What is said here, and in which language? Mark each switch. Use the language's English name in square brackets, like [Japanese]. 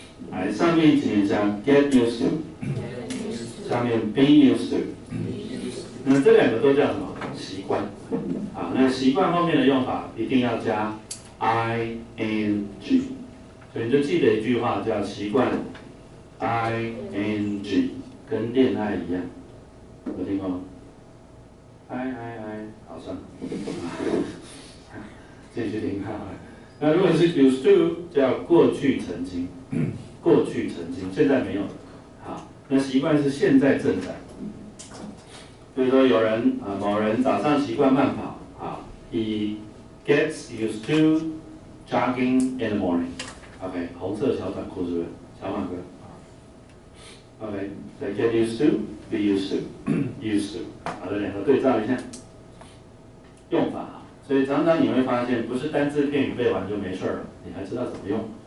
[Chinese] 来，上面请一下 get used to， 下面 be used to。那这两个都叫什么？习惯。好，那习惯后面的用法一定要加 ing， 所以你就记得一句话叫习惯 ing， 跟恋爱一样，有听过吗？好，算了，继续听看。那如果是 used to， 叫过去曾经。过去曾经，现在没有。好，那习惯是现在正在。比如说有人某人早上习惯慢跑， [English] He gets used to jogging in the morning. [Chinese] OK， 红色小短裤是不是？小短裤。OK， they get used to, be used to, used to。 好的，两个对照一下。用法，所以常常你会发现，不是单字片语背完就没事了，你还知道怎么用。